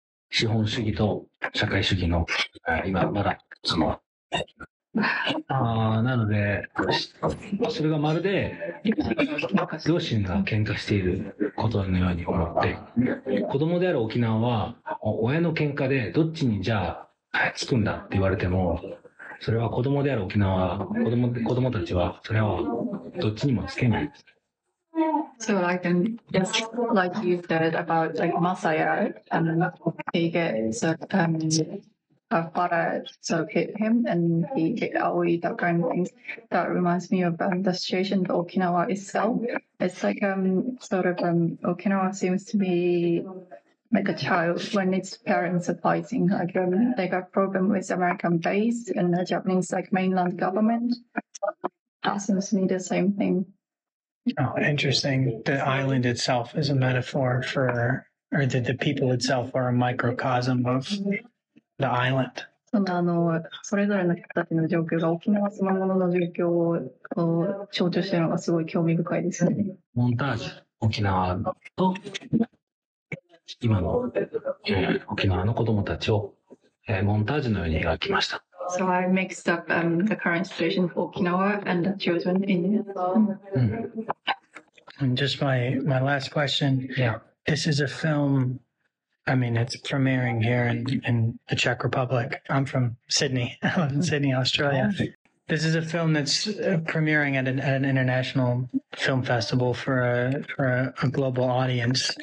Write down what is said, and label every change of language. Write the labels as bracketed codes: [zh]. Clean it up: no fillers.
[ja] 資本主義と社会主義の、今まだ、その、なので、それがまるで両親が喧嘩していることのように思って、子供である沖縄は、親の喧嘩でどっちにじゃあつくんだって言われても、それは子供である沖縄は、子供たちは、それはどっちにもつけない。 [en] So I can just like you said about like Masaya and he gets a father sort of hit him and he hit Aoi, that kind of thing. That reminds me of the situation of Okinawa itself. It's like Okinawa seems to be like a child when its parents are fighting. Like, they got problem with American base and the Japanese like mainland government. That seems to be the same thing. Oh, interesting. The island itself is a metaphor for, or the people itself are a microcosm of... The island. [ja] そのあのそれぞれの人たちの状況が沖縄そのものの状況を象徴しているのがすごい興味深いですね。モンタージュ、沖縄と今の沖縄の子どもたちを、モンタージュのように描きました。 [en] So I mixed up the current situation of Okinawa and the children in it. And just my last question. Yeah. This is a film, I mean, it's premiering here in the Czech Republic. I'm from Sydney. I live in Sydney, Australia. This is a film that's premiering at an international film festival for a global audience.